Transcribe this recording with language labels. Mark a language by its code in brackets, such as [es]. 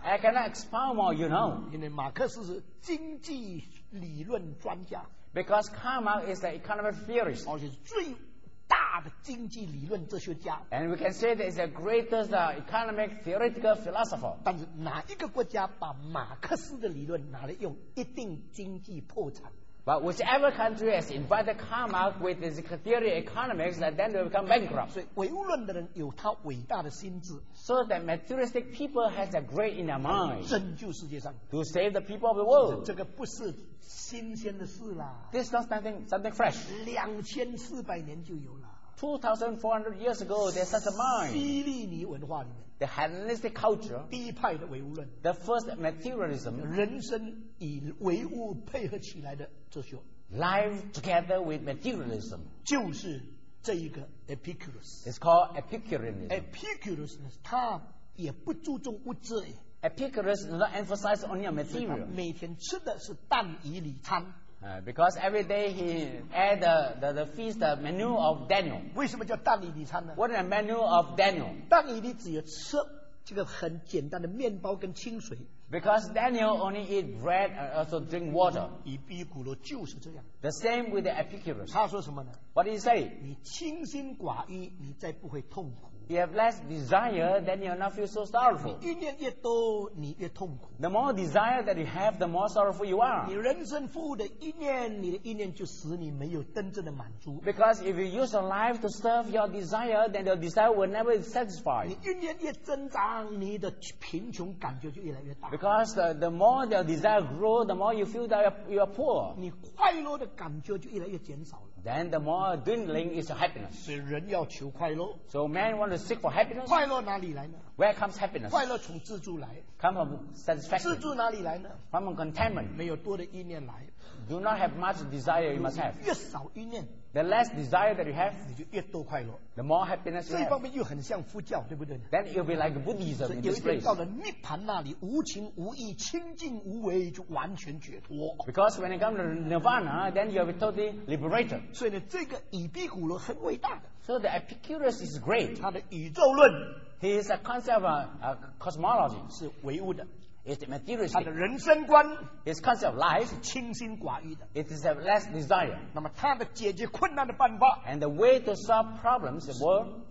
[en] I cannot expound more, you know. [zh] 因为马克思是经济理论专家。 [en] Because Karl Marx is an economic theorist. [zh] 而且是最大的经济理论哲学家。 [en] And we can say that he's the greatest economic theoretical philosopher. [zh] 但是哪一个国家把马克思的理论拿来用，一定经济破产。 [en] But whichever country has invited Karl Marx with his theory of economics, then they will become bankrupt. [zh] 所以唯物论的人有他伟大的心智。 [en] So that materialistic people has a great in their mind. [zh] 拯救世界上。 [en] To save the people of the world. [zh] 这个不是新鲜的事啦。 [en] This is not something fresh. [zh] 2400年就有了。 [en] 2400 years ago, there's such a mind. [zh] 西利尼文化里面。 [en] The Hellenistic culture. [zh] 第一派的唯物论。 [en] The first materialism. [zh] 人生以唯物配合起来的哲学。 [en] Life together with materialism. [zh] 就是这一个 Epicurus. [en] It's called Epicureanism. [zh] Epicurus 他也不注重物质。 [en] Epicurus does not emphasize only on material. [zh] 每天吃的是但以理餐。 [en] Because every day he had the feast the menu of Daniel. [zh] 为什么叫但以理餐呢 [en] ？What is the menu of Daniel? [zh] 但以理只有吃这个很简单的面包跟清水。 [en] Because Daniel only eat bread and also drink water. [zh] 以比古罗就是这样。 [en] The same with the Epicurus. [zh] 他说什么呢 [en] ？What did he say? [zh] 你清心寡欲，你再不会痛苦。 [en] You have less desire, then you will not feel so sorrowful. [zh] 你欲念越多，你越痛苦。 [en] The more desire that you have, the more sorrowful you are. [zh] 你人生富的欲念，你的欲念就使你没有真正的满足。 [en] Because if you use your life to serve your desire, then your desire will never be satisfied. [zh] 你欲念越增长，你的贫穷感觉就越来越大。 [en] Because the more your desire grows, the more you feel that you are poor. [zh] 你快乐的感觉就越来越减少了。 [en] Then the more dwindling is your happiness. [zh] 是人要求快乐。 [en] So man want to seek for happiness. [zh] 快乐哪里来呢 [en] ？Where comes happiness? [zh] 快乐从自助来。 [en] Come from satisfaction. [zh] 自助哪里来呢 [en] ？From contentment. [zh] 没有多的意念来。 [en] do not have much desire you must have. [zh] 越少一念, [en] the less desire that you have, [zh] 你就越多快乐, [en] the more happiness you have. [zh] 这一方面又很像佛教, [en] then it will be like Buddhism in this place. [zh] 到了涅槃那里, 无情无义, 清净无为, [en] because when you come to Nirvana, then you are totally liberated. [zh] 所以呢,这个以比古罗很伟大的, [en] so the Epicurus is great. [zh] 他的宇宙论, [en] he is a concept of a cosmology. [zh] 是唯物的, [en] it's the materialistic. [zh] 他的人生观, [en] his concept of life, [zh] 是清心寡欲的, [en] it is a less desire. [zh] 那么他的解决困难的办法, [en] and the way to solve problems in the world,